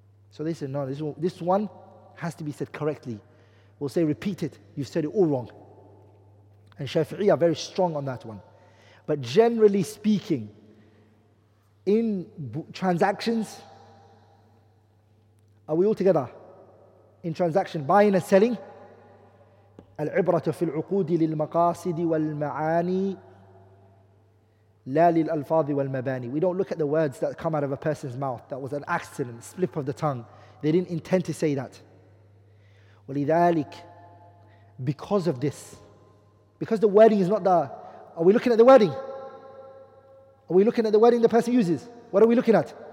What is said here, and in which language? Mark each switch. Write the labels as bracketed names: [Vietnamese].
[English] So they said, no, this one, has to be said correctly. We'll say repeat it, you've said it all wrong. And Shafi'i are very strong on that one. But generally speaking, in transactions, Are we all together in transaction, buying and selling? [Arabic] العبرة في العقود للمقاصد والمعاني لا للألفاظ والمباني. [English] We don't look at the words that come out of a person's mouth. That was an accident, slip of the tongue. They didn't intend to say that. ولذلك, because of this, because the wording is not the... Are we looking at the wording? Are we looking at the wording the person uses? What are we looking at?